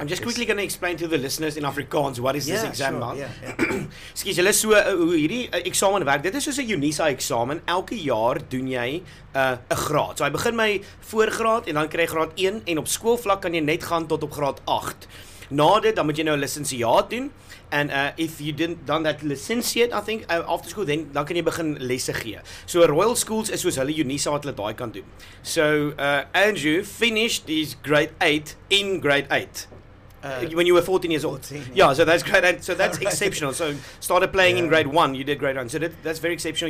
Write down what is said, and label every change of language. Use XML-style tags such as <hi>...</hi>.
<en>I'm just quickly going to explain to the listeners in Afrikaans what is this exam sure, about. Excuse me, let's see</en> <af>hoe hierdie eksamen werk. Dit is soos 'n UNISA eksamen. Elke jaar doen jy 'n graad. So jy begin my voorgraad en dan kry jy graad 1 en op skoolvlak kan jy net gaan tot op graad 8. Na dit dan moet jy nou 'n lisensiaat doen.</af> <en>And if you didn't done that licentiate, I think, after school, then</en> <af>dan kan jy begin lesse gee.</af> <en>So Royal Schools</en> <af>is soos hulle UNISA wat hulle daai kan doen.</af> <en>So Andrew finished his grade 8 in grade 8. When you were 14 years old. 14, yeah. So that's grade 8. So that's exceptional. So started playing in grade 1, you did grade 1. So that's very exceptional.</en>